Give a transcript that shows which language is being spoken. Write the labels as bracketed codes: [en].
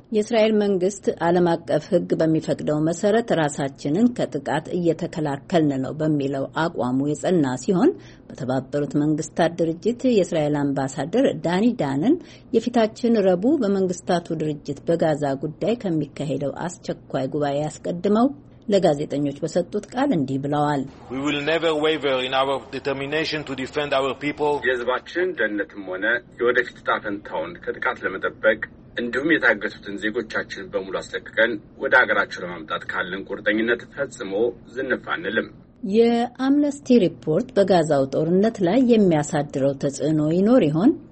[am] የእስራኤል መንግስት ዓለም አቀፍ ህግ በሚፈቅደው መሰረት ራሳችንን ከጥቃት እየተከላከልን ነው በሚለው አቋሙ የጸና ሲሆን፣ በተባበሩት መንግስታት ድርጅት የእስራኤል አምባሳደር ዳኒ ዳንን የፊታችን ረቡዕ በመንግስታቱ ድርጅት በጋዛ ጉዳይ ከሚካሄደው አስቸኳይ ጉባኤ አስቀድመው ለጋዜጠኞች በሰጡት ቃል እንዲህ ብለዋል። [en] We will never waver in our determination to defend our people. [am] የህዝባችን ደህንነትም ሆነ የወደፊት ዕጣ ፈንታውን ከጥቃት ለመጠበቅ እንዲሁም የታገሱትን ዜጎቻችን በሙሉ አስለቅቀን ወደ አገራቸው ለማምጣት ካለን ቁርጠኝነት ፈጽሞ ዝንፍ አንልም። የአምነስቲ ሪፖርት በጋዛው ጦርነት ላይ የሚያሳድረው ተጽዕኖ ይኖር ይሆን?